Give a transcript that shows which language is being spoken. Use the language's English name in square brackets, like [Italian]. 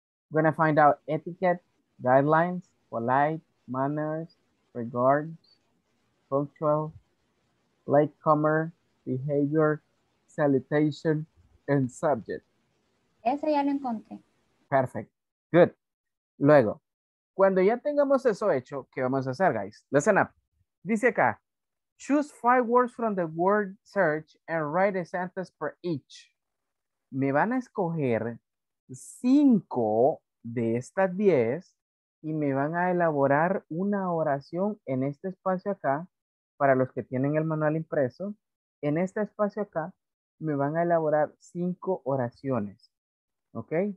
[English] We're going to find out etiquette, guidelines, polite, manners, regards, punctual, latecomer, behavior, salutation, and subject. [Spanish] Ese ya lo encontré. [English] Perfect. Good. [Spanish] Luego, cuando ya tengamos eso hecho, ¿qué vamos a hacer, guys? [English] Listen up. [Spanish] Dice acá, [English] choose 5 words from the word search and write a sentence for each. [Spanish] Me van a escoger 5 de estas 10 y me van a elaborar una oración en este espacio acá, para los que tienen el manual impreso, en este espacio acá, me van a elaborar 5 oraciones, ¿ok?